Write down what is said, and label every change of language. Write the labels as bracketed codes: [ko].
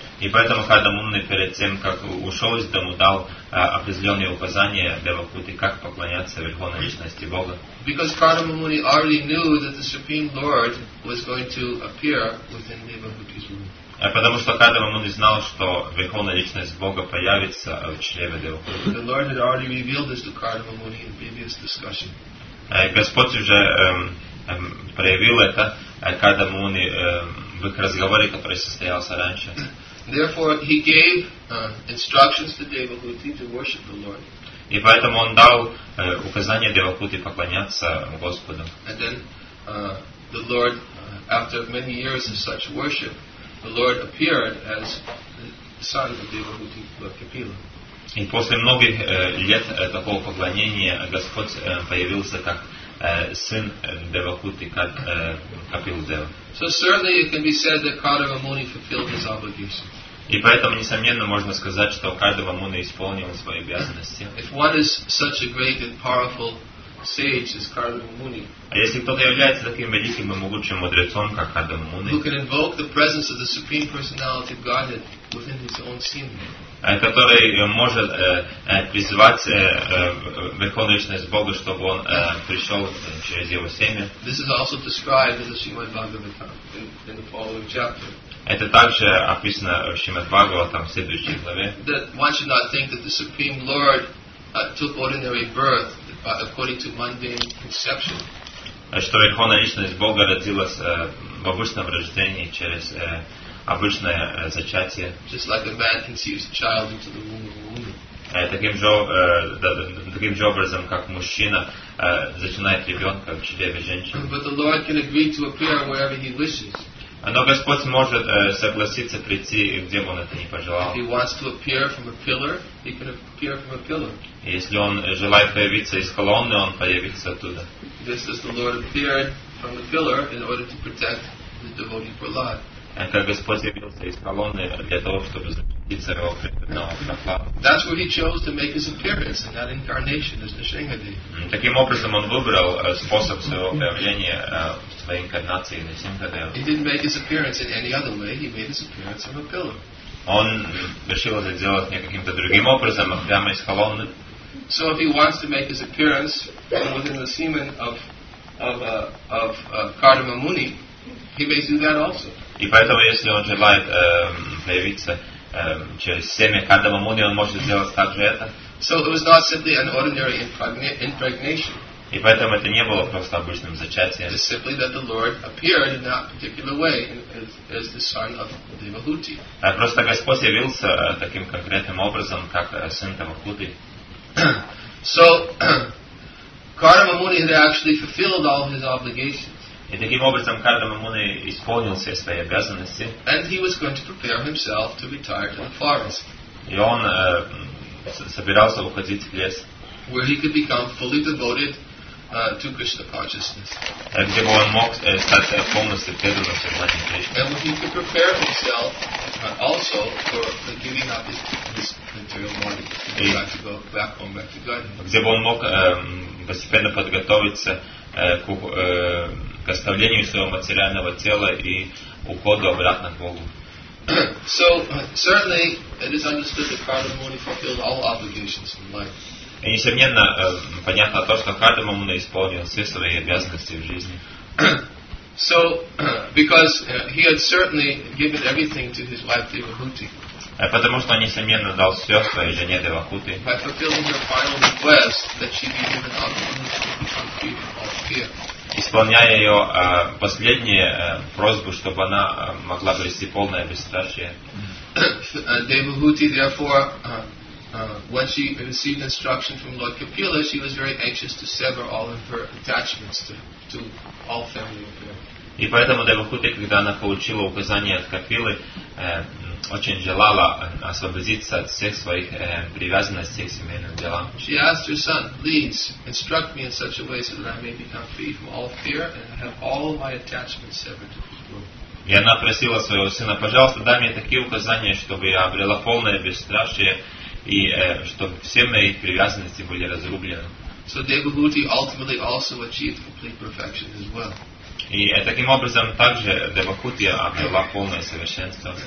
[ru] И поэтому Карна Муни перед тем, как ушел из дому, дал определенные указания Девахути, как поклоняться Верховной Личности Бога. [en] Because Karna Muni already knew that the Supreme Lord was going to appear within Devahuti's womb. [ru] Потому что Карна Муни знал, что Верховная Личность Бога появится в чреве Девахути. [en] The Lord had already revealed this to Karna Muni in previous discussion. [ru] Господь уже проявил это Карна Муни в их разговоре, который состоялся раньше. [en] Therefore, he gave instructions to Devahuti to worship the Lord. [ru] И поэтому он дал указание Девахути поклоняться Господу. [en] And then the Lord, after many years of such worship, the Lord appeared as the son of Devahuti, Lord Kapila. [ru] И после многих лет такого поклонения Господь появился как сын Девакути, как Капилу Дева. [en] So certainly it can be said that Kadava Muni fulfilled his obligation. [ru] И поэтому, несомненно, можно сказать, что Кадава Муни исполнил свои обязанности. [en] If one is such a great and powerful sage as Kadava Muni, [ru] а если кто-то является таким великим и могучим мудрецом, как Кадава Муни, [en] who can invoke the presence of the Supreme Personality of Godhead within his own scene, [ru] который может призвать Верховную Личность Бога, чтобы он пришел через его семя. [en] This is also described in the Srimad Bhagavatam in the following chapter. [ru] Это также описано в Шримад Бхагаватам в следующей главе. [en] That one should not think that the Supreme Lord took ordinary birth according to mundane conception. [ru] Что Верховная Личность Бога родилась в обычном рождении через обычное зачатие. [en] Just like a man conceives a child into the womb of a woman. [ru] Таким же образом, как мужчина зачинает ребенка в чреве женщины. [en] But the Lord can agree to appear wherever he wishes. [ru] Но Господь может согласиться прийти, где бы он это ни пожелал. [en] If he wants to appear from a pillar, he can appear from a pillar. [ru] Если он желает появиться из колонны, он появится оттуда. [en] This is the Lord appeared from the pillar in order to protect the devotee Prahlad. [ru] Как Господь явился из колонны для того, чтобы защитить своего преданного Прохлада. [en] That's where he chose to make his appearance in that incarnation as Nisshingadev. [ru] Таким образом, он выбрал способ своего появления в своей инкарнации Нисхингадев. [en] He didn't make his appearance in any other way. He made his appearance from a pillar. [ru] Он решил это делать не каким-то другим образом, а прямо из колонны. [en] So if he wants to make his appearance within the semen of Kadava Muni, he may do that also. [ru] И поэтому, если он желает появиться через семя Кадава Муни, он может сделать также это. [en] So it was not simply an ordinary impregnation. [ru] И поэтому это не было просто обычным зачатием. [en] It's simply that the Lord appeared in that particular way as the son of Devahuti. [ru] Просто Господь явился таким конкретным образом, как сын Девахути. [en] So Kadava Muni had actually fulfilled all his obligations. [ru] И таким образом Кадава Муни исполнил все свои обязанности. [en] And he was going to prepare himself to retire to the forest. [ru] И он собирался уходить в лес. [en] Where he could become fully devoted to Krishna consciousness. [ru] Где бы он мог стать полностью преданным сознанием Кришны. [en] And he could prepare himself also for giving up his material body and back to go back home back to Godhead. [ru] Где бы он мог постепенно подготовиться к оставлению своего материального тела и уходу обратно к Богу. [en] So certainly it is understood that Kadava Muni fulfilled all obligations in life. [ru] И несомненно понятно то, что Кадава Муни исполнил все свои обязанности в жизни. [en] So because he had certainly given everything to his wife Devahuti. [ru] Потому что он несомненно дал все своей жене Девахути. [en] By fulfilling her final request that she be given up from fear. [ru] Исполняя ее последнюю просьбу, чтобы она могла обрести полное бесстрашие. [en] Devahuti, therefore, when she received instruction from Lord Kapila, she was very anxious to sever all of her attachments to all family affairs. [ru] И поэтому Девахути, когда она получила указание от Капилы, очень желала освободиться от всех своих привязанностей к семейным делам. [en] She asked her son, please instruct me in such a way so that I may become free from all fear and have all my attachments severed to this world. [ru] И она просила своего сына, пожалуйста, дай мне такие указания, чтобы я обрела полное бесстрашие и чтобы все мои привязанности были разрублены. [en] So Devahuti ultimately also achieved complete perfection as well. [ru] И таким образом также Девахути обрела полное совершенство.